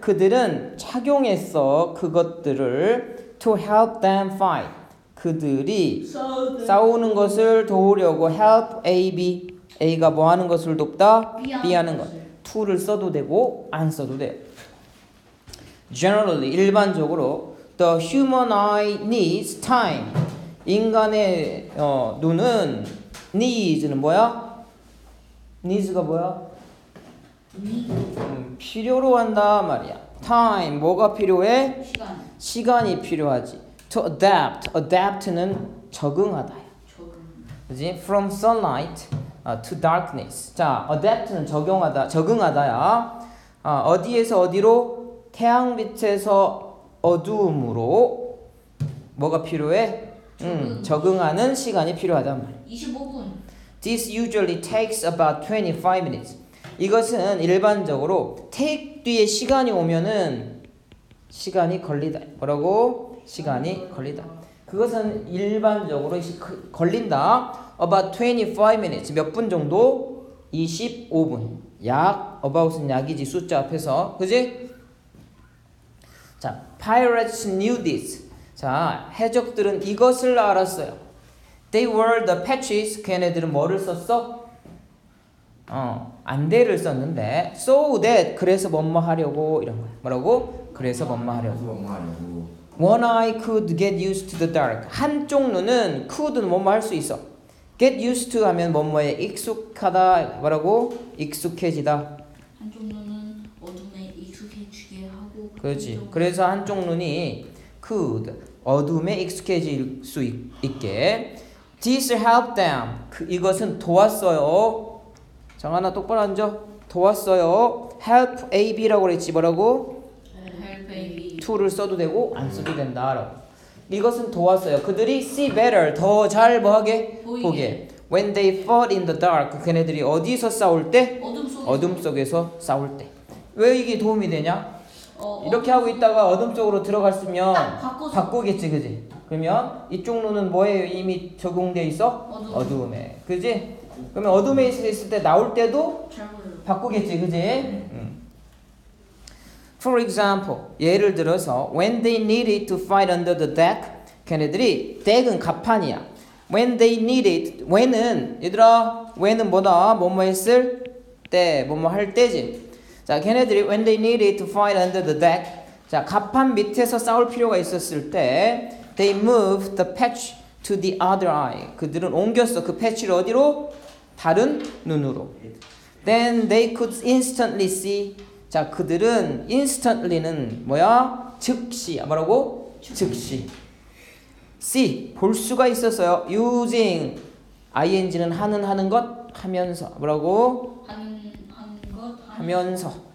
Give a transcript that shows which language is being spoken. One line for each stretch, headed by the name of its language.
Korean: 그들은 착용했어. 그것들을.
English: To help them fight.
Korean: 그들이 싸우는 것을 도우려고. Help A, B. A가 뭐 하는 것을 돕다? B 하는 것. To를 써도 되고 안 써도 돼.
English: Generally,
Korean: 일반적으로
English: the human eye needs time.
Korean: 인간의 눈은 needs는 뭐야? needs가 뭐야?
English: need.
Korean: 필요로 한다 말이야. time, 뭐가 필요해? 시간. 시간이 필요하지.
English: To adapt,
Korean: adapt는 적응하다야. 적응.
English: 그지? From sunlight. To darkness.
Korean: 자, adapt는 적용하다, 적응하다야. 어디에서 어디로? 태양빛에서 어두움으로. 뭐가 필요해? 적응하는 시간이 필요하단 말이야. 25분.
English: This usually takes about 25 minutes.
Korean: 이것은 일반적으로 take 뒤에 시간이 오면은 시간이 걸리다. 뭐라고? 시간이 걸리다. 그것은 일반적으로 걸린다.
English: About 25 minutes.
Korean: 몇 분 정도? 25분. 약. About은 약이지. 숫자 앞에서. 그지?
English: 자, pirates knew this.
Korean: 자, 해적들은 이것을 알았어요.
English: They wore the patches.
Korean: 걔네들은 뭐를 썼어? 안대를 썼는데.
English: So that.
Korean: 그래서 뭐뭐 하려고. 이런 거야. 뭐라고? 그래서 뭐뭐 하려고.
English: One eye could get used to the dark.
Korean: 한쪽 눈은 could는 뭐뭐 할 수 있어.
English: Get used to
Korean: 하면 뭐뭐에 익숙하다. 뭐라고? 익숙해지다. 한쪽 눈은 어둠에 익숙해지게 하고. 그렇지. 그래서 한쪽 눈이 could 어둠에 익숙해질 수 있게.
English: This helped them.
Korean: 이것은 도왔어요. 정하나 똑바로 앉아. 도왔어요. Help A, B라고 그랬지. 뭐라고?
English: Help A, B.
Korean: To를 써도 되고 안 써도 된다. 라고. 이것은 도왔어요. 그들이
English: see better,
Korean: 더 잘 뭐하게? 보게.
English: When they fought in the dark,
Korean: 그네들이 어디서 싸울 때? 어둠 속에서. 어둠 속에서 싸울 때. 왜 이게 도움이 되냐? 이렇게 하고 있다가 어둠 쪽으로 들어갔으면 바꾸겠지, 그지? 그러면 이쪽 눈은 뭐예요? 이미 적응돼 있어? 어둠에. 그지? 그러면 어둠에 있을 때 나올 때도 바꾸겠지, 그지?
English: 응. For example,
Korean: 예를 들어서
English: when they needed to fight under the deck, 걔네들이
Korean: deck은 갑판이야.
English: When they needed,
Korean: when은 얘들아, when은 뭐다? 뭐뭐 했을 때, 뭐뭐 할 때지.
English: 자, 걔네들이 when they needed to fight under the deck, 자,
Korean: 갑판 밑에서 싸울 필요가 있었을 때,
English: they moved the patch to the other eye.
Korean: 그들은 옮겼어. 그 패치를 어디로? 다른 눈으로.
English: Then they could instantly see.
Korean: 자, 그들은 instantly는 뭐야? 즉시. 뭐라고? 즉시. See, 볼 수가 있었어요. Using ing는 하는 것 하면서. 뭐라고? 하면서.